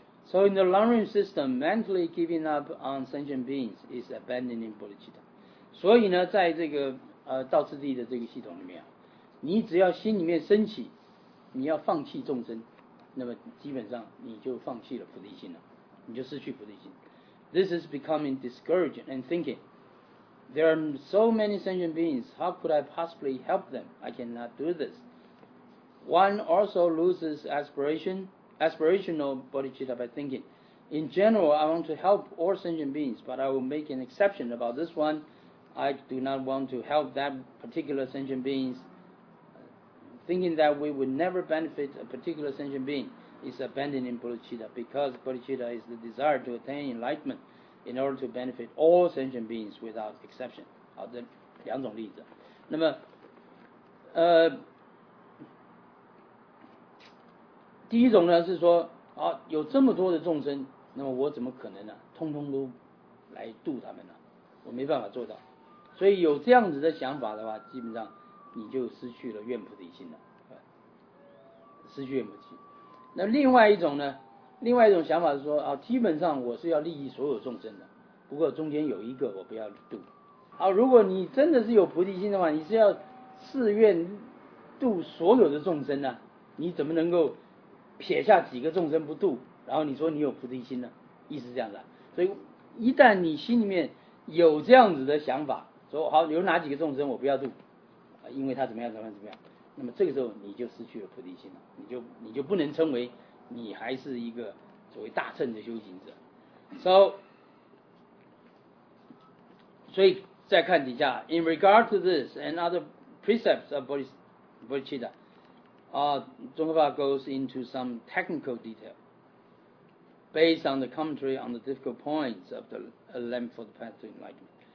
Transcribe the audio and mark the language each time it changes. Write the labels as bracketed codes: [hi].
[en] So in the long run system, mentally giving up on sentient beings is abandoning bodhicitta. [zh] 所以呢，在这个道次第的这个系统里面，你只要心里面升起，你要放弃众生，那么基本上你就放弃了菩提心了，你就失去菩提心。 [en] This is becoming discouraged and thinking, there are so many sentient beings, how could I possibly help them? I cannot do this. One also loses aspirational bodhicitta by thinking, in general, I want to help all sentient beings, but I will make an exception about this one. I do not want to help that particular sentient beings. Thinking that we would never benefit a particular sentient being is abandoning bodhicitta, because bodhicitta is the desire to attain enlightenment in order to benefit all sentient beings without exception. [zh] 好的，两种例子。那么，第一种呢是说，好，有这么多的众生，那么我怎么可能呢、啊？通通都来度他们呢、啊？我没办法做到。所以有这样子的想法的话，基本上你就失去了愿菩提心了，失去愿菩提心。那另外一种呢？另外一种想法是说，啊，基本上我是要利益所有众生的，不过中间有一个我不要度。啊，如果你真的是有菩提心的话，你是要誓愿度所有的众生啊，你怎么能够撇下几个众生不度，然后你说你有菩提心呢？意思是这样的。所以一旦你心里面有这样子的想法，说好有哪几个众生我不要度，因为他怎么样怎么样怎么样，那么这个时候你就失去了菩提心了，你就不能称为你还是一个所谓大乘的修行者。所以再看底下， [en] In regard to this and other precepts of Bodhicitta, 宗喀巴 goes into some technical detail based on the commentary on the difficult points of the lamp for the path to enlightenment.